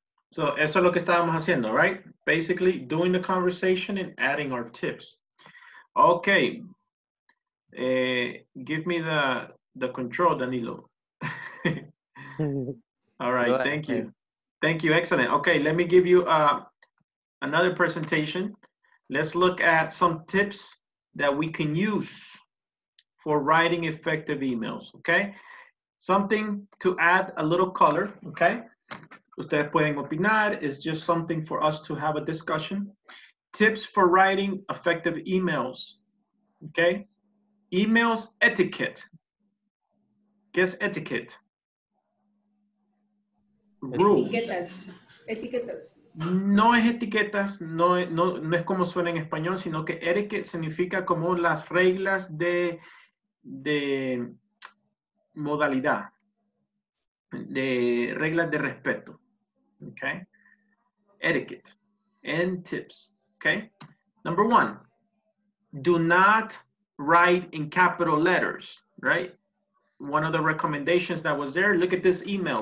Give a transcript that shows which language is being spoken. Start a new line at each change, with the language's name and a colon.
Spanish: So, eso es lo que estábamos haciendo, right?
English: Basically, doing the conversation and adding our tips. Okay. Give me the control, Danilo. All right, thank you. Thank you, excellent. Okay, let me give you another presentation. Let's look at some tips that we can use for writing effective emails, okay? Something to add a little color, okay?
Spanish: Ustedes pueden opinar.
English: It's just something for us to have a discussion. Tips for writing effective emails. Okay. Emails etiquette.
Spanish: ¿Qué es
English: etiquette?
Spanish: Rules. Etiquetas. Etiquetas. No es etiquetas, no es como suena en español, sino que etiquette significa como las reglas de modalidad, de reglas de respeto.
English: Okay. Etiquette and tips. Okay. Number one, do not write in capital letters, right? One of the recommendations that was there, look at this email.